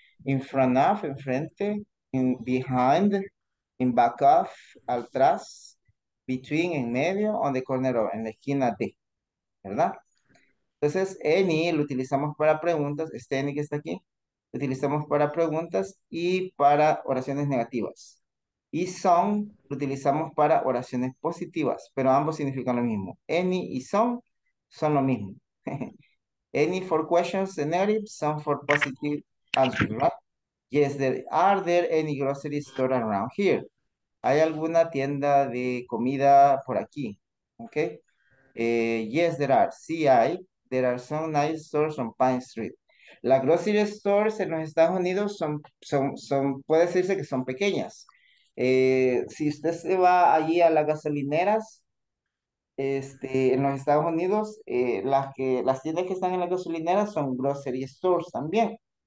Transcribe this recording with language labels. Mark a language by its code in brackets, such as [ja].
[en] In front of, [es] enfrente, [en] in behind, in back of, [es] al tras, [en] between, [es] en medio, [en] on the corner of, [es] en la esquina de, ¿verdad? Entonces, any lo utilizamos para preguntas, este any que está aquí, lo utilizamos para preguntas y para oraciones negativas. Y some lo utilizamos para oraciones positivas, pero ambos significan lo mismo. Any y some son lo mismo. [en] Any for questions and negative, some for positive. Yes, are there any grocery store around here? [es] ¿Hay alguna tienda de comida por aquí? Okay. [en] Yes, there are. [es] Sí, hay. [en] There are some nice stores on Pine Street. [es] Las grocery stores en los Estados Unidos son puede decirse que son pequeñas. Si usted se va allí a las gasolineras, en los Estados Unidos, las tiendas que están en las gasolineras son grocery stores también.